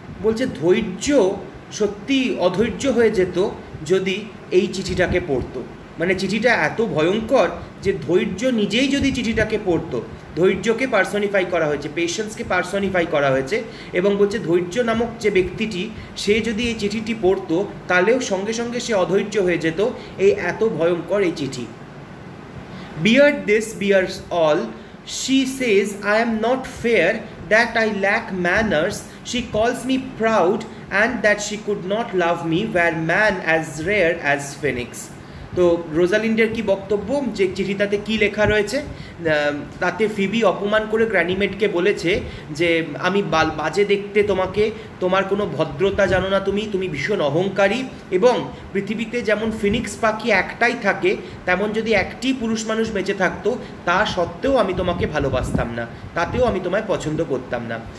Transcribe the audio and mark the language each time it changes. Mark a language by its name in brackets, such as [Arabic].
[Bangla] বলছে, ধৈর্য সত্যি অধৈর্য হয়ে যেত যদি এই চিঠিটাকে পড়তো, মানে চিঠিটা এত ভয়ঙ্কর যে ধৈর্য নিজেই যদি চিঠিটাকে পড়তো, ধৈর্যকে পার্সোনিফাই করা হয়েছে, পেশেন্সকে পার্সোনিফাই করা হয়েছে, এবং বলছে ধৈর্য নামক যে ব্যক্তিটি সে যদি এই চিঠিটি পড়তো তাহলেও সঙ্গে সঙ্গে সে অধৈর্য হয়ে যেত এই এত ভয়ঙ্কর এই চিঠি। [English] Bear this bears all, she says I am not fair that I lack manners, she calls me proud, and that she could not love me where man as rare as Phoenix. [Bangla] তো রোজালিন্ডের কি বক্তব্য, যে চিঠিটাতে কি লেখা রয়েছে? তাতে Phoebe অপমান করে গ্র্যানিমেটকে বলেছে যে আমি বাজে দেখতে তোমাকে, তোমার কোনো ভদ্রতা জানো না তুমি, তুমি ভীষণ অহংকারী, এবং পৃথিবীতে যেমন ফিনিক্স পাখি একটাই থাকে, তেমন যদি একটি পুরুষ মানুষ বেঁচে থাকতো তা সত্ত্বেও আমি তোমাকে ভালোবাসতাম না, তাতেও আমি তোমায় পছন্দ করতাম না।